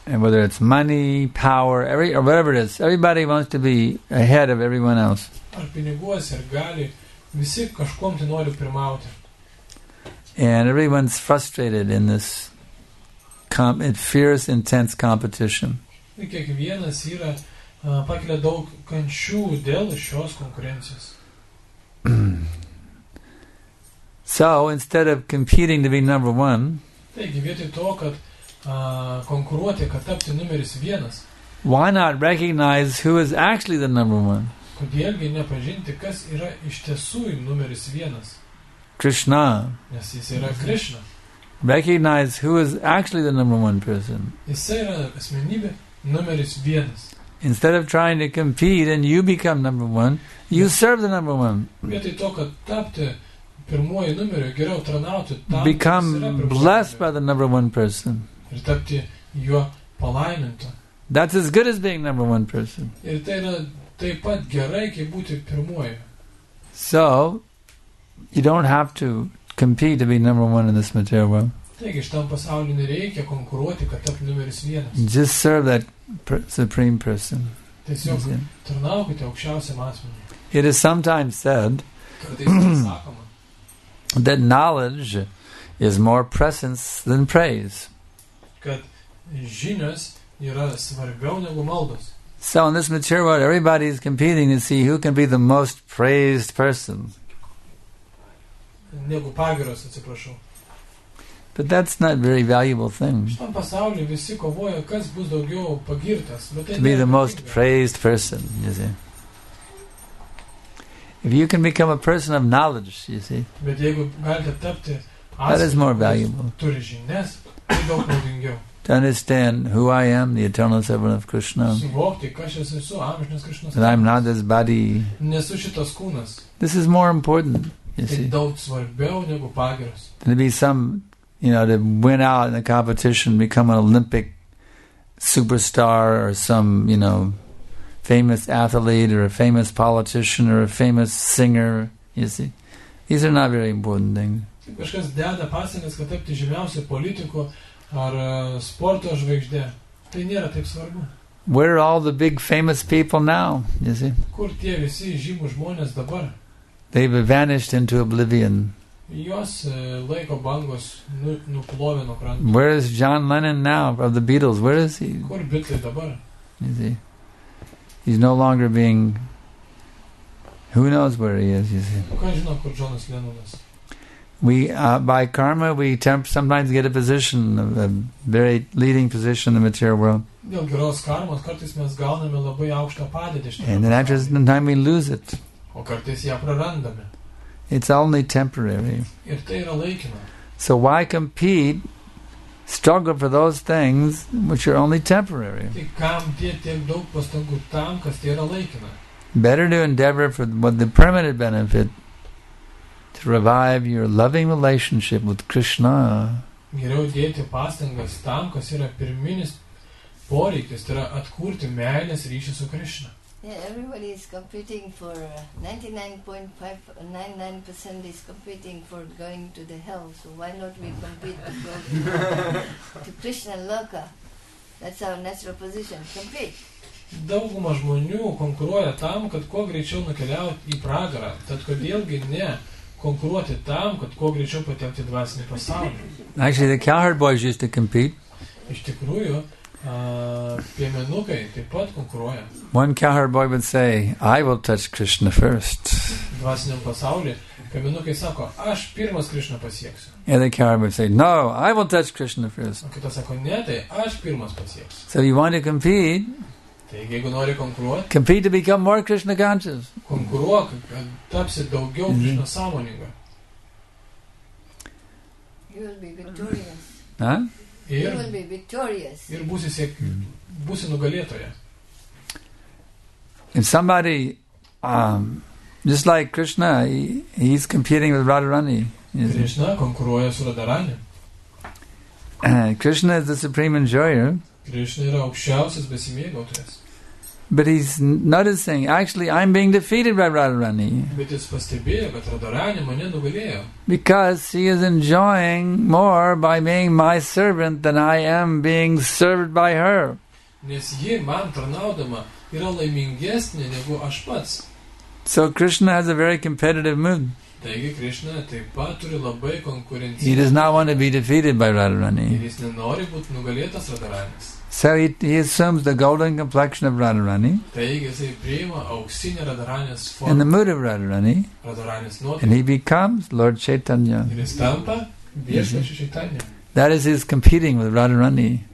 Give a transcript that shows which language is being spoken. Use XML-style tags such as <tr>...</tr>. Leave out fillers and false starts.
<en>And whether it's money, power, or whatever it is, everybody wants to be ahead of everyone else.</en> <lt>Ar piniguos, ar gali, visi kažkom tai nori pirmauti.</lt> <en>And everyone's frustrated in this fierce, intense competition.</en> <lt>Ir kiekvienas yra pakelia daug kančių dėl šios konkurencijos.</lt> <en>So instead of competing to be number one,</en> <lt>Taigi, vietoj to, kad konkuruoti, kad tapti numeris vienas.</lt> <en>Why not recognize who is actually the number one?</en> <lt>Kodėlgi nepažinti, kas yra iš tiesų numeris vienas?</lt> <en>Krishna.</en> <lt>Nes jis yra Krishna.</lt> <en>Recognize who is actually the number one person.</en> <lt>Jis yra asmenybė numeris vienas.</lt> <en>Instead of trying to compete and you become number one, you serve the number one.</en> <lt>Vietoj to, kad tapti pirmoji numerio, geriau tranauti tam,</lt> <en>become blessed by the number one person.</en> <lt>Ir tapti juo palaimintą.</lt> <en>That's as good as being number one person.</en> <lt>Ir tai yra taip pat gerai, kaip būti pirmoji.</lt> <en>So, you don't have to compete to be number one in this material world.</en> <lt>Taigi, šitam pasaulį nereikia konkuruoti, kad tapti numeris vienas.</lt> <en>Just serve that supreme person.</en> <lt>Tiesiog tarnaukite aukščiausiam asmeniui.</lt> <en>It is sometimes said that knowledge is more presence than praise.</en> <lt>Kad žinios yra svarbiau negu maldos.</lt> <en>So in this material world, everybody is competing to see who can be the most praised person.</en> <lt>Negu pagiros, atsiprašau.</lt> <en>But that's not a very valuable thing.</en> <lt>Šitam pasaulį visi kovoja, kas bus daugiau pagirtas.</lt> <en>To be the most praised person, you see. If you can become a person of knowledge, you see.</en> <lt>Bet jeigu galite tapti asmeniu,</lt> <en>that is more valuable.</en> <lt>Turi žinias, tai daug naudingiau.</lt> <en>To understand who I am, the eternal servant of Krishna.</en> <lt>Suvokti, kas aš esu, amžinas Krishna.</lt> <en>That I'm not this body.</en> <lt>Nesu šitas kūnas.</lt> <en>This is more important, you see.</en> <lt>Tai daug svarbiau negu pagiros.</lt> <en>To be some, you know, to win out in the competition, become an Olympic superstar or some, you know, famous athlete or a famous politician or a famous singer, you see. These are not very important things.</en> <lt>Kažkas deda pasienas, kad tapti žymiausiu politiku ar sporto žvaigždė. Tai nėra taip svarbu.</lt> <en>Where are all the big famous people now, you see?</en> <lt>Kur tie visi žymus žmonės dabar?</lt> <en>They've vanished into oblivion.</en> <lt>Jos laiko bangos nuplovė nuo krantų.</lt> <en>Where is John Lennon now of the Beatles? Where is he?</en> <lt>Kur Beatles dabar?</lt> <en>Is he? He's no longer being. Who knows where he is? You see.</en> <lt>Kas žino, kur Jonas Lennonas?</lt> <en>We by karma we sometimes get a position, a very leading position in the material world.</en> <lt>Dėl geros karmos kartais mes gauname labai aukštą padėtį.</lt> <en>And then after some time we lose it.</en> <lt>O kartais ją prarandame.</lt> <en>It's only temporary.</en> <lt>Ir tai yra laikina.</lt> <en>So why compete, struggle for those things which are only temporary?</en> <lt>Tai kam dėti tiek daug pastangų tam, kas tai yra laikina?</lt> <en>Better to endeavor for the permanent benefit, to revive your loving relationship with Krishna.</en> <lt>Geriau dėti pastangas tam, kas yra pirminis poreikis, tai yra atkurti meilės ryšį su Krishna.</lt> <en>Yeah, everybody is competing for 99.99% is competing for going to the hell. So why not we compete to go to Krishna Loka? That's our natural position. Compete.</en> <lt>Dauguma žmonių konkuruoja tam, kad kuo greičiau nukeliauti į pragarą. Tad kodėlgi ne konkuruoti tam, kad kuo greičiau patekti į dvasinį pasaulį.</lt> <en>Actually, the cowherd boys used to compete.</en> <lt>Iš tikrųjų, piemenukai taip pat konkuruoja.</lt> <en>One cowherd boy would say, I will touch Krishna first.</en> <lt>Dvasiniam pasaulyje piemenukai sako, aš pirmas Krishna pasieksiu.</lt> <en>And the cowherd would say, no, I will touch Krishna first.</en> <lt>O kitas sako, ne, tai aš pirmas pasieksiu.</lt> <en>So you want to compete,</en> <lt>taigi, jeigu nori konkuruoti,</lt> <en>compete to become more Krishna conscious.</en> <lt>Konkuruok, kad tapsi daugiau Krishna sąmoninga.</lt> <en>You will be victorious.</en> <lt>Ir būsi būsi nugalėtoja.</lt> <en>And somebody, just like Krishna, he's competing with Radharani.</en> <lt>Krishna konkuruoja su Radharani.</lt> <en>Krishna is the supreme enjoyer.</en> <lt>Krishna yra aukščiausias besimėgautojas.</lt> <en>But he's noticing, actually, I'm being defeated by Radharani.</en> <lt>Bet jis pastebėjo, kad Radharani mane nugalėjo.</lt> <en>Because he is enjoying more by being my servant than I am being served by her.</en> <lt>Nes ji man tarnaudama yra laimingesnė negu aš pats.</lt> <en>So Krishna has a very competitive mood.</en> <lt>Taigi Krishna taip pat turi labai konkurenciją.</lt> <en>He does not want to be defeated by Radharani.</en> <lt>Ir jis nenori būti nugalėtas Radharanis.</lt> <en>So he assumes the golden complexion of Radharani.</en> <lt>Taigi jisai priima auksinį Radharanės formą.</lt> <en>In the mood of Radharani.</en> <lt>Radharanės nuotaiką.</lt> <en>And he becomes Lord Chaitanya.</en> <lt>Ir jis tampa viešpačiu Chaitanya.</lt> <en>That is his competing with Radharani.</en>